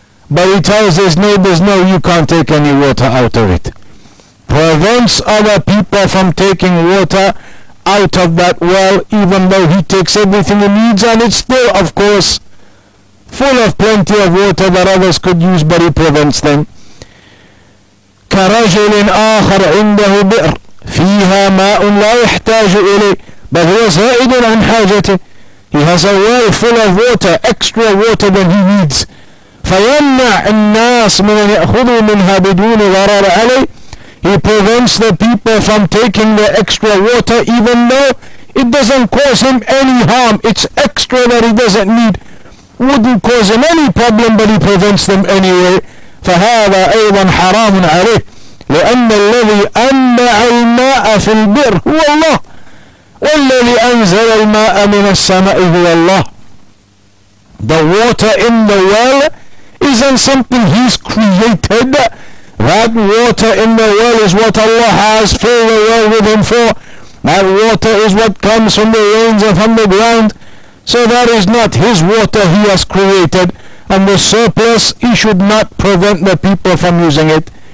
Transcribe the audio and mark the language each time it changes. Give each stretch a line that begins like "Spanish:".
English: But he tells his neighbors, no, you can't take any water out of it. Prevents other people from taking water out of that well, even though he takes everything he needs, and it's still, of course, full of plenty of water that others could use, but he prevents them.
Arabic: كرجل آخر عنده بئر فيها ماء لا يحتاج إليه بل هو زائد عن حاجته.
English: He has a well full of water, extra water than he needs.
Arabic: فيمنع الناس من أن يأخذوا منها بدون ضرر عليه.
English: He prevents the people from taking the extra water even though it doesn't cause him any harm. It's extra that he doesn't need. Wouldn't cause him any problem, but he prevents them anyway.
Arabic: فهذا أيضا حرام عليه لأن الذي أنبع الماء في البئر هو الله والذي أنزل الماء من السماء هو الله.
English: The water in the well isn't something he's created. That water in the well is what Allah has filled the well with him for. That water is what comes from the rains and from the ground. So that is not his water he has created. And the surplus, he should not prevent the people from using it.